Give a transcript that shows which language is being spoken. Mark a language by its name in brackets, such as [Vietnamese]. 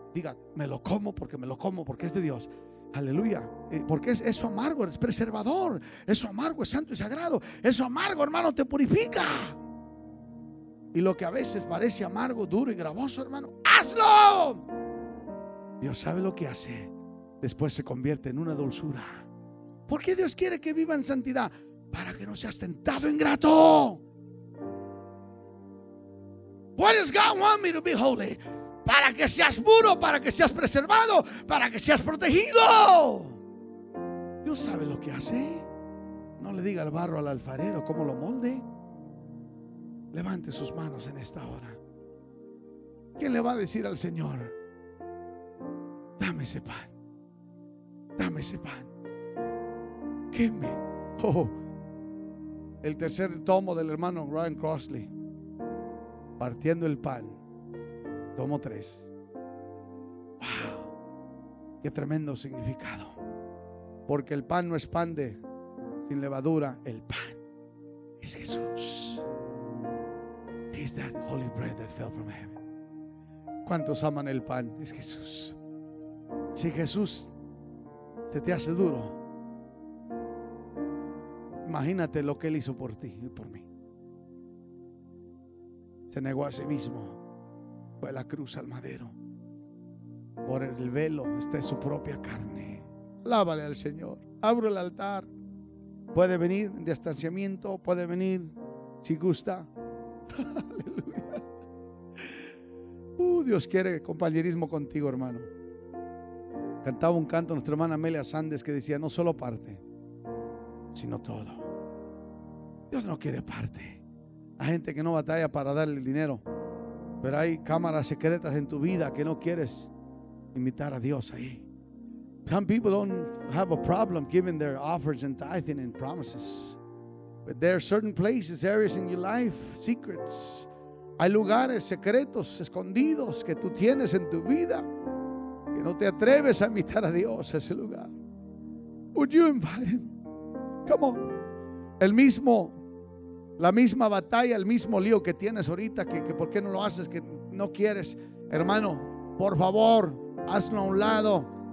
[Spanish] Diga, me lo como porque es de Dios. Aleluya, porque es eso amargo, es preservador, eso amargo es santo y sagrado, eso amargo, hermano, te purifica. Y lo que a veces parece amargo, duro y gravoso, hermano, ¡hazlo! Dios sabe lo que hace. Después se convierte en una dulzura. ¿Por qué Dios quiere que viva en santidad? Para que no seas tentado ingrato. [English] What does God want me to be holy? [Spanish] Para que seas puro, para que seas preservado, para que seas protegido. Dios sabe lo que hace. No le diga el barro al alfarero cómo lo molde. Levante sus manos en esta hora. ¿Quién le va a decir al Señor? Dame ese pan. Dame ese pan. Queme. Oh, el tercer tomo del hermano Ryan Crossley. Partiendo el pan. Tomo 3. Wow. Qué tremendo significado. Porque el pan no es pan de sin levadura. El pan es Jesús. [English] Is that holy bread that fell from heaven. [Spanish] ¿Cuántos aman el pan? Es Jesús. Si Jesús se te hace duro, imagínate lo que Él hizo por ti y por mí. Se negó a sí mismo, fue a la cruz, al madero. Por el velo está su propia carne. Lávale al Señor. Abro el altar. Puede venir en distanciamiento, puede venir si gusta. Aleluya. Dios quiere compañerismo contigo, hermano. Cantaba un canto nuestra hermana Amelia Sandes que decía: no solo parte, sino todo. Dios no quiere parte. Hay gente que no batalla para darle el dinero, pero hay cámaras secretas en tu vida que no quieres invitar a Dios ahí. [English] Some people don't have a problem giving their offers and tithing and promises, but there are certain places, areas in your life, secrets. [Spanish] Hay lugares secretos, escondidos, que tú tienes en tu vida que no te atreves a invitar a Dios a ese lugar. [English] Would you invite him? Come on. [Spanish] La misma batalla, el mismo lío que tienes ahorita, que por qué no lo haces, que no quieres, hermano, por favor, hazlo a un lado.